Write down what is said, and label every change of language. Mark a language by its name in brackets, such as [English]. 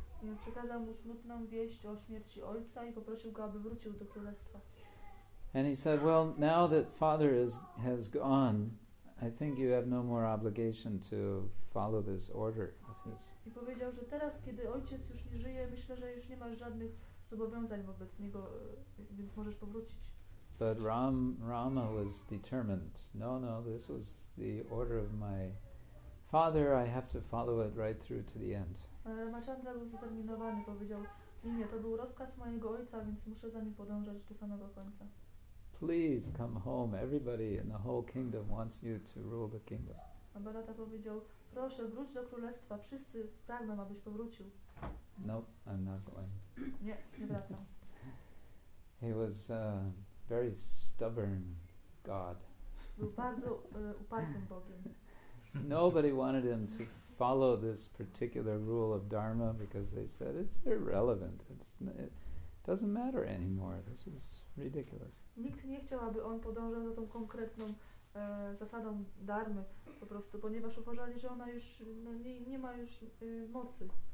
[Polish] I przekazał mu smutną wieść o śmierci ojca i poprosił go, aby wrócił do królestwa. [English] And he said, well, now that father has gone, I think you have no more obligation to follow this order of his. [Polish] I powiedział, że teraz, kiedy ojciec już nie żyje, myślę, że już nie masz żadnych zobowiązań wobec niego, więc możesz powrócić. [English] But Rama was determined. No, this was the order of my father. I have to follow it right through to the end. [Polish] Ramachandra był zdeterminowany, powiedział: nie, to był rozkaz mojego ojca, więc muszę za nim podążać do samego końca. [English] Please come home. Everybody in the whole kingdom wants you to rule the kingdom. [Polish] A Bharata powiedział: proszę, wróć do królestwa. Wszyscy pragną, abyś powrócił. [English] Nope, I'm not going. [Polish] Nie, nie wracam. [English] He was a very stubborn god. [Polish] Był bardzo upartym Bogiem. [English] Nobody wanted him to follow this particular rule of Dharma because they said it's irrelevant. It doesn't matter anymore. This is ridiculous. [Polish] Nikt nie chciał, aby on podążał za tą konkretną zasadą Dharmy, po prostu, ponieważ uważali, że ona już nie ma już mocy.